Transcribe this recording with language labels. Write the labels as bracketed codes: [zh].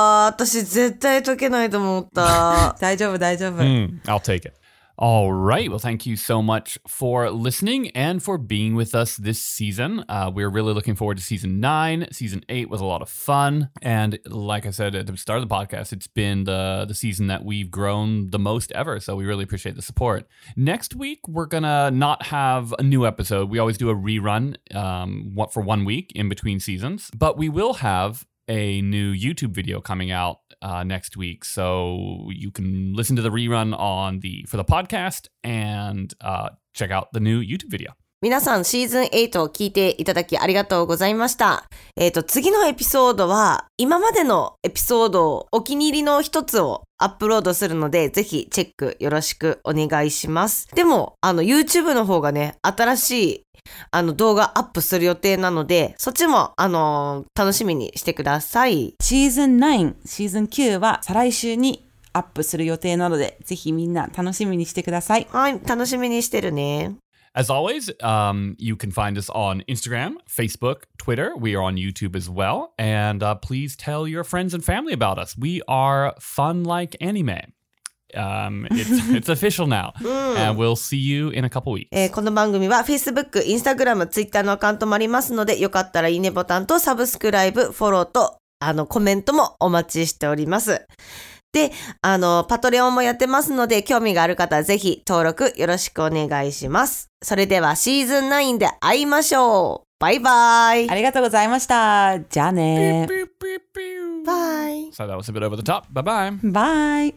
[ja] 私絶対解けないと思った。大丈夫、大丈夫。 [en] I'll take it. All right. Well, thank you so much for listening and for being with us this season. We're really looking forward to season 9. Season 8 was a lot of fun. And like I said at the start of the podcast, it's been the season that we've grown the most ever. So we really appreciate the support. Next week, we're going to not have a new episode. We always do a rerun for 1 week in between seasons. But we will have a new YouTube video coming out. Next week, so you can listen to the rerun on the for the podcast and check out the new YouTube video. [ja] 皆さんシーズン8を聞いていただきありがとうございました。次のエピソードは今までのエピソードをお気に入りの一つをアップロードするので、ぜひチェックよろしくお願いします。でも YouTube の方がね、新しい動画アップする予定なので、そっちも楽しみにしてください。シーズン9、シーズン9は再来週にアップする予定なので、ぜひみんな楽しみにしてください。はい、楽しみにしてるね。 [en] As always, you can find us on Instagram, Facebook, Twitter. We are on YouTube as well. And please tell your friends and family about us. We are fun like anime. It's official now. And we'll see you in a couple weeks. [ja] この番組は Facebook, Instagram, Twitter のアカウントもありますので、よかったらいいねボタンとサブスクライブ、フォローとコメントもお待ちしております。で、パトレオンもやってますので、興味がある方はぜひ登録よろしくお願いします。それではシーズン9で会いましょう。バイバイ。ありがとうございました。じゃあね。バイ。 [en] So that was a bit over the top. Bye bye.